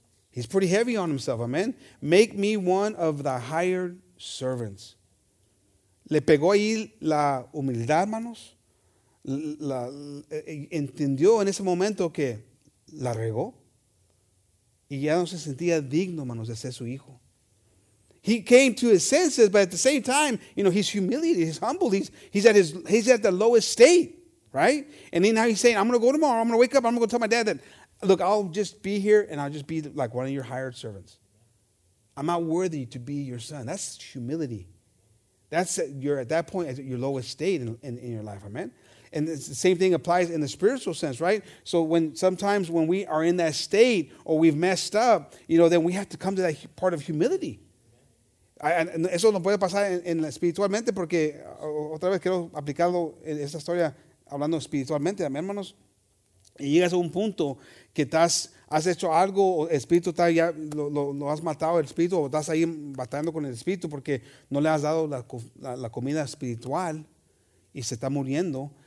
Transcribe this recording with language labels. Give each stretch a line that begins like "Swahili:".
English: He's pretty heavy on himself, amen. Make me one of the hired servants.
Spanish: Le pegó ahí la humildad, hermanos. Entendió en ese momento que la regó y ya no se sentía digno, hermanos, de ser su hijo.
English: He came to his senses, but at the same time, you know, he's humiliated, he's humbled, he's at the lowest state, right? And then now he's saying, I'm going to go tomorrow, I'm going to wake up, I'm going to tell my dad that, look, I'll just be here and I'll just be like one of your hired servants. I'm not worthy to be your son. That's humility. That's, you're at that point at your lowest state in your life, amen? And it's the same thing applies in the spiritual sense, right? So sometimes when we are in that state or we've messed up, you know, then we have to come to that part of humility.
Spanish: Eso no puede pasar en espiritualmente porque otra vez quiero aplicarlo en esta historia hablando espiritualmente, amén, hermanos. Y llegas a un punto que has hecho algo, o el espíritu está ya, lo has matado el espíritu o estás ahí batallando con el espíritu porque no le has dado la comida espiritual y se está muriendo.